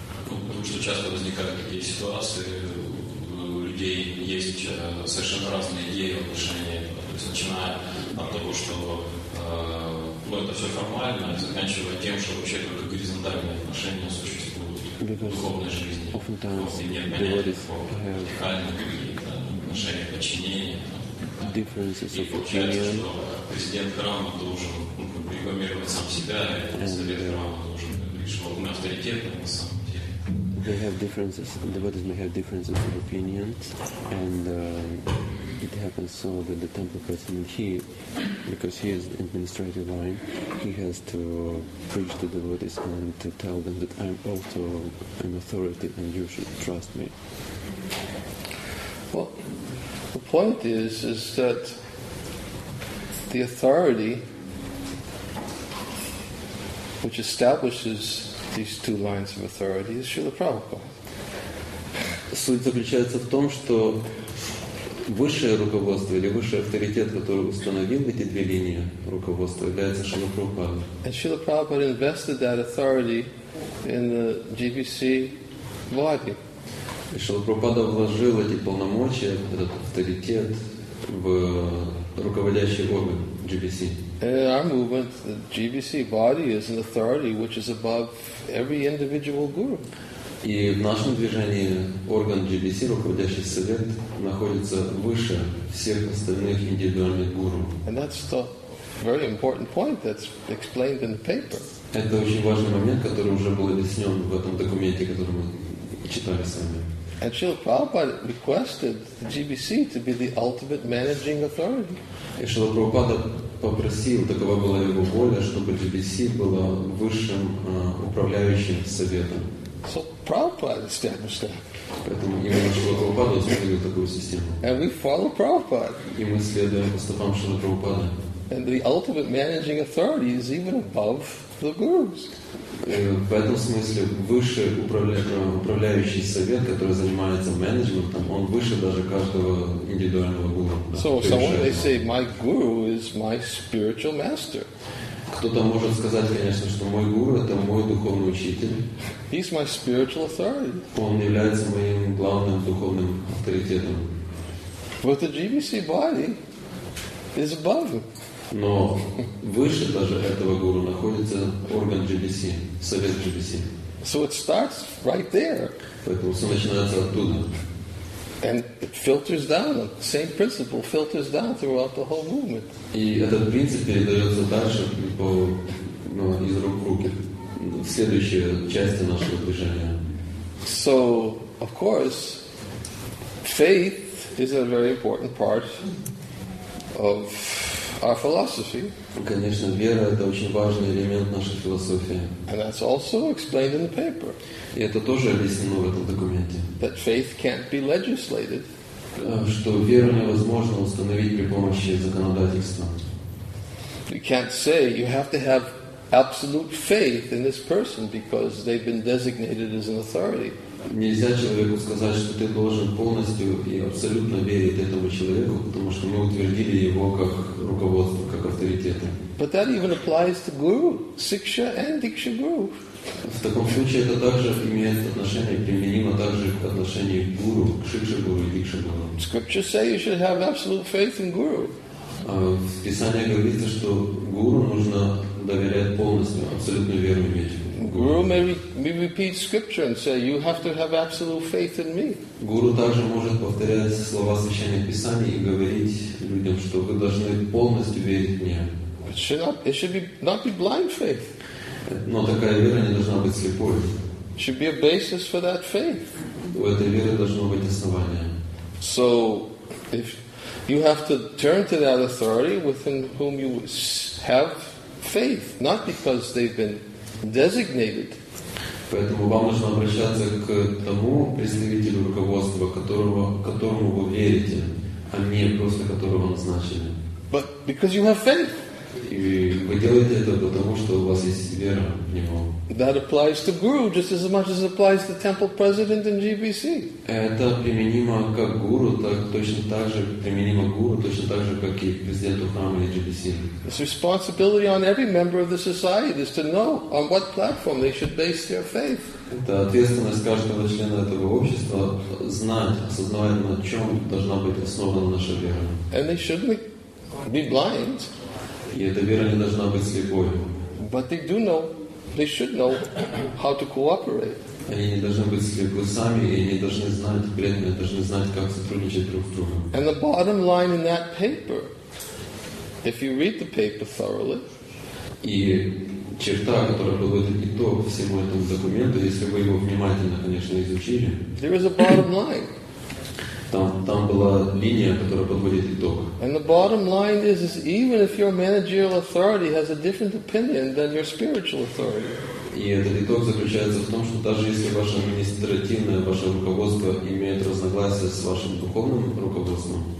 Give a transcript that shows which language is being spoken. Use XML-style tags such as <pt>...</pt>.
<ru>Ну, потому что часто возникают такие ситуации, у людей есть совершенно разные идеи в отношении этого. То есть начиная от того, что это все формально, заканчивая тем, что вообще только горизонтальные отношения существуют в духовной жизни.</ru> <en>Oftentimes,</en> <ru>и нет понятия о вертикальных отношениях подчинения. И получается, что президент храма должен рекламировать сам себя, и совет храма должен лишь вовремя авторитетным на самом.</ru> <en>They have differences, the devotees may have differences of opinions, and it happens so that the temple person, he, because he is the administrative line, he has to preach to the devotees and to tell them that I'm also an authority and you should trust me. Well, the point is that the authority which establishes these two lines of authority is Srila Prabhupada.</en> <ru>Суть заключается в том, что высшее руководство или высший авторитет, который установил эти две линии руководства, является Шрила Прабхупада.</ru> <en>And Srila Prabhupada invested that authority in the GBC body.</en> <ru>И Шрила Прабхупада вложил эти полномочия, этот авторитет в руководящий орган GBC.</ru> <en>In our movement, the GBC body is an authority which is above every individual guru.</en> <ru>И в нашем движении орган GBC, руководящий совет, находится выше всех остальных индивидуальных гуру.</ru> <en>And that's the very important point that's explained in the paper.</en> <ru>Это очень важный момент, который уже был объяснен в этом документе, который мы читали с вами.</ru> <en>And Srila Prabhupada requested the GBC to be the ultimate managing authority.</en> <ru>И Шрила Прабхупада попросил, такова была его воля, чтобы GBC была высшим управляющим советом.</ru> <en>So Prabhupada established that.</en> <ru>Поэтому именно Шрила Прабхупада установил такую систему.</ru> <en>And we follow Prabhupada.</en> <ru>И мы следуем по стопам Шрила Прабхупады.</ru> <en>And the ultimate managing authority is even above the gurus.</en> <ru>В этом смысле высший управляющий совет, который занимается менеджментом, он выше даже каждого индивидуального гуру.</ru> <en>So someone may say, my guru is my spiritual master.</en> <ru>Кто-то может сказать, конечно, что мой гуру – это мой духовный учитель.</ru> <en>He's my spiritual authority.</en> <ru>Он является моим главным духовным авторитетом.</ru> <en>But the GBC body is above him.</en> <ru>Но выше даже этого гуру находится орган GBC, совет GBC.</ru> <en>So it starts right there.</en> <ru>Поэтому все начинается оттуда.</ru> <en>And it filters down, the same principle filters down throughout the whole movement.</en> <ru>И этот принцип передается дальше по, ну, из рук в руки, в следующие части нашего движения.</ru> <en>So, of course, faith is a very important part of our philosophy.</en> <ru>Конечно, вера – это очень важный элемент нашей философии.</ru> <en>And that's also explained in the paper.</en> <ru>И это тоже объяснено в этом документе.</ru> <en>That faith can't be legislated.</en> <ru>Что веру невозможно установить при помощи законодательства.</ru> <en>You can't say you have to have absolute faith in this person because they've been designated as an authority.</en> <ru>Нельзя человеку сказать, что ты должен полностью и абсолютно верить этому человеку, потому что мы утвердили его как руководство, как авторитета.</ru> <en>But that even applies to guru, siksha and diksha guru.</en> <ru>В таком случае это также имеет отношение, применимо также к отношению к гуру, к шикша гуру и дикша гуру.</ru> <en>Scripture says you should have absolute faith in guru.</en> <ru>В Писании говорится, что гуру нужно доверять полностью, абсолютную веру иметь.</ru> <en>Guru may repeat scripture and say, you have to have absolute faith in me.</en> <ru>Guru также может повторять слова Священного Писания и говорить людям, что вы должны полностью верить мне.</ru> <en>But it should not be blind faith.</en> <ru>Но такая вера не должна быть слепой.</ru> <en>Should be a basis for that faith.</en> <ru>У этой веры должно быть основание.</ru> <en>So, if you have to turn to that authority within whom you have faith, not because they've been designated.</en> <ru>Поэтому вам нужно обращаться к тому представителю руководства, которому вы верите, а не просто которого назначили.</ru> <en>But because you have faith.</en> <ru>И вы делаете это потому, что у вас есть вера в него.</ru> <en>That applies to guru just as much as applies to temple president and GBC.</en> <ru>Это применимо как гуру, так точно так же применимо гуру, точно так же, как и президенту храма и GBC.</ru> <en>It's responsibility on every member of the society is to know on what platform they should base their faith.</en> <ru>Это ответственность каждого члена этого общества знать, осознавать, на чем должна быть основана наша вера.</ru> <en>And they shouldn't be blind.</en> <ru>И эта вера не должна быть слепой.</ru> <en>But they do know. They should know how to cooperate.</en> <ru>Они не должны быть слепы сами, и они должны знать, преданные должны знать, как сотрудничать друг с другом.</ru> <en>And the bottom line in that paper, if you read the paper thoroughly,</en> <ru>и черта, которая подводит итог всему этому документу, если вы его внимательно, конечно, изучили,</ru> <en>there is a bottom line.</en> <ru>Там была линия, которая подводит итог.</ru> <en>And the bottom line is even if your managerial authority has a different opinion than your spiritual authority.</en> <ru>И этот итог заключается в том, что даже если ваше административное, ваше руководство имеет разногласия с вашим духовным руководством,</ru>